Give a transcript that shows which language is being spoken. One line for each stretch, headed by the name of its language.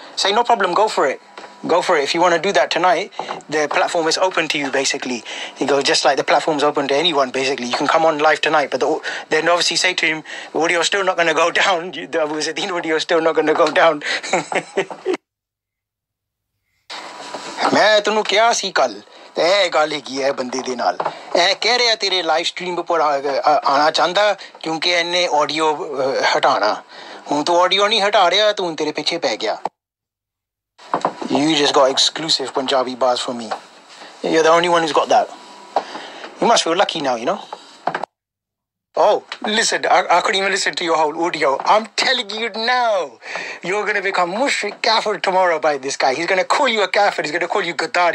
English: Say, no problem, go for it. Go for it. If you want to do that tonight, the platform is open to you, basically. He goes, just like the platform's open to anyone, basically. You can come on live tonight. But then obviously say to him, the audio's still not going to go down. The Abu Zaddin audio's still not going to go down.
Punjabi: ਮੈਂ ਤੈਨੂੰ ਕਿਹਾ ਸੀ ਕੱਲ੍ਹ? ਏਹ, ਗੱਲ ਹੀ ਕੀ ਹੈ ਬੰਦੀ ਦੇ ਨਾਲ. ਏਹ, ਕਹਿ ਰਿਹਾ ਤੇਰੇ live stream ਉੱਪਰ ਆਉਣਾ ਚਾਹੁੰਦਾ, ਕਿਉਂਕਿ ਇਹਨੇ audio ਹਟਾਣਾ. ਹੁਣ ਤੂੰ ਆਡੀਓ ਨਹੀਂ ਹਟਾ ਰਿਹਾ, ਤੂੰ ਹੁਣ ਤੇਰੇ ਪਿੱਛੇ ਪੈ ਗਿਆ.
English: You just got exclusive Punjabi bars from me. You're the only one who's got that. You must feel lucky now, you know? Oh, listen, I couldn't even listen to your whole audio. I'm telling you now, you're going to become mushrik kafir tomorrow by this guy. He's going to call you a kafir. He's going to call you gaddar.